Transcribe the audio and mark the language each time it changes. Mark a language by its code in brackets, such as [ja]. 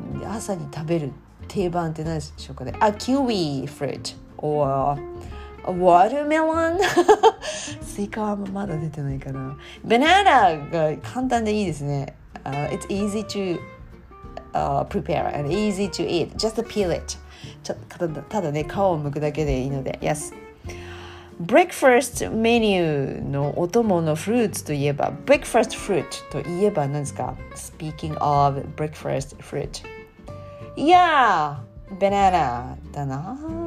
[ja] 朝に食べる定番って何でしょうかね? [en] A kiwi fruit. Or a watermelon? [ja] スイカはまだ出てないかな。 Banana が簡単でいいですね。 [en] It's easy to prepare and easy to eat. Just peel it. [ja] ただね、皮を剥くだけでいいので。 Yes. Breakfast menu のお供のフルーツといえば、Breakfast fruit といえば何ですか? [en] Speaking of breakfast fruit. Yeah! [ja] Banana だな。